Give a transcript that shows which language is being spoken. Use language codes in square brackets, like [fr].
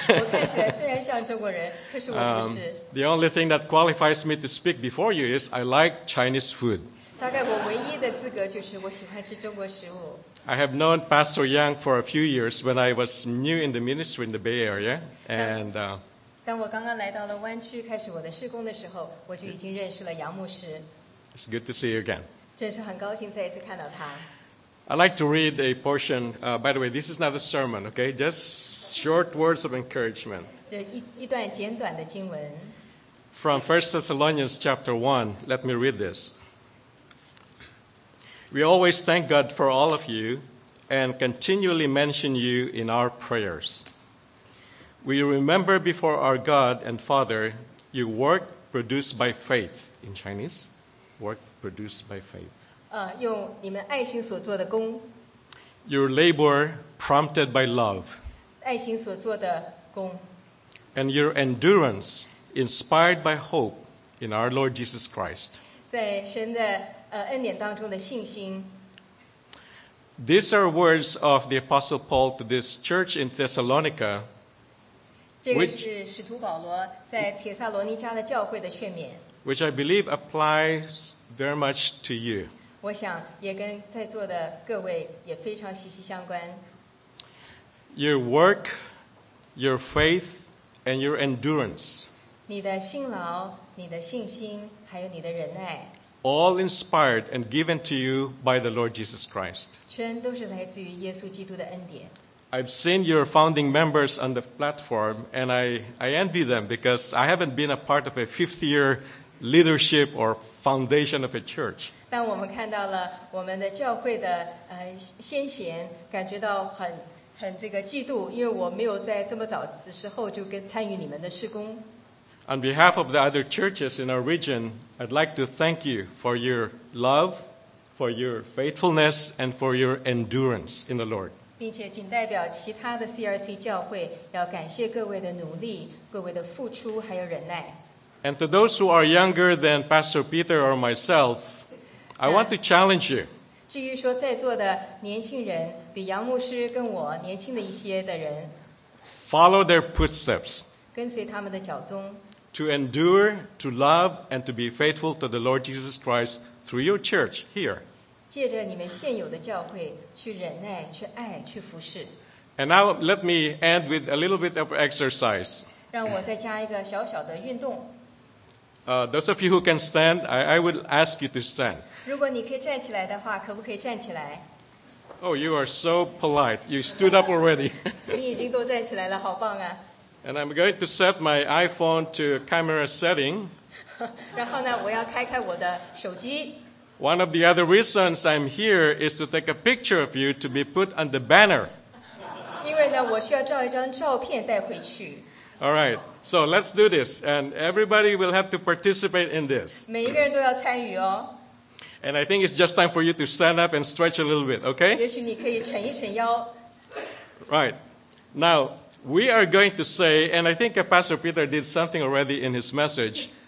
[zh] 我看起来虽然像中国人，可是我不是。 [en] The only thing that qualifies me to speak before you is I like Chinese food. [zh] 大概我唯一的资格就是我喜欢吃中国食物。 [en] I have known Pastor Yang for a few years when I was new in the ministry in the Bay Area, and [zh] 当我刚刚来到了湾区开始我的事工的时候，我就已经认识了杨牧师。 [en] It's good to see you again. [zh] 真是很高兴再一次看到他。 [en] I'd like to read a portion. By the way, this is not a sermon, okay? Just short words of encouragement. [zh] 一段简短的经文。 [en] From 1 Thessalonians chapter 1, let me read this. We always thank God for all of you and continually mention you in our prayers. We remember before our God and Father your work produced by faith. In Chinese, work produced by faith. [zh] 用你们爱心所做的工 [en] Your labor prompted by love [zh] 爱心所做的工 [en] And your endurance inspired by hope in our Lord Jesus Christ [zh] 在神的恩典当中的信心 [en] These are words of the Apostle Paul to this church in Thessalonica [zh] 这个是使徒保罗在帖撒罗尼迦的教会的劝勉 [en] Which I believe applies very much to you [zh] 我想也跟在座的各位也非常息息相关。 [en] Your work, your faith, and your endurance. [zh] 你的辛劳、你的信心，还有你的忍耐。 [en] All inspired and given to you by the Lord Jesus Christ. [zh] 全都是来自于耶稣基督的恩典。 [en] I've seen your founding members on the platform, and I envy them because I haven't been a part of a fifth-year leadership or foundation of a church. [zh] 当我们看到了我们的教会的先贤，感觉到很这个嫉妒，因为我没有在这么早的时候就跟参与你们的事工。 [en] On behalf of the other churches in our region, I'd like to thank you for your love, for your faithfulness, and for your endurance in the Lord. [zh] 并且仅代表其他的 CRC 教会，要感谢各位的努力、各位的付出还有忍耐。 [en] And to those who are younger than Pastor Peter or myself, I want to challenge you. [zh] 至于说在座的年轻人，比杨牧师跟我年轻的一些的人， [en] follow their footsteps. [zh] 跟随他们的脚踪。 [en] To endure, to love, and to be faithful to the Lord Jesus Christ through your church here. [zh] 借着你们现有的教会去忍耐、去爱、去服侍。 [en] And now let me end with a little bit of exercise. [zh] 让我再加一个小小的运动。 [en] Those of you who can stand, I would ask you to stand. [zh] 如果你可以站起来的话，可不可以站起来？ [en] Oh, you are so polite. You stood up already. [zh] 你已经都站起来了，好棒啊！ [en] And I'm going to set my iPhone to camera setting. [zh] 然后呢，我要开开我的手机。 [en] One of the other reasons I'm here is to take a picture of you to be put on the banner. [zh] 因为呢，我需要照一张照片带回去。 [en] All right, so let's do this, and everybody will have to participate in this. [zh] 每一个人都要参与哦。 [en] And I think it's just time for you to stand up and stretch a little bit, okay? [zh] 也许你可以沉一沉腰。 [en] Right, now we are going to say, and I think Pastor Peter did something already in his message.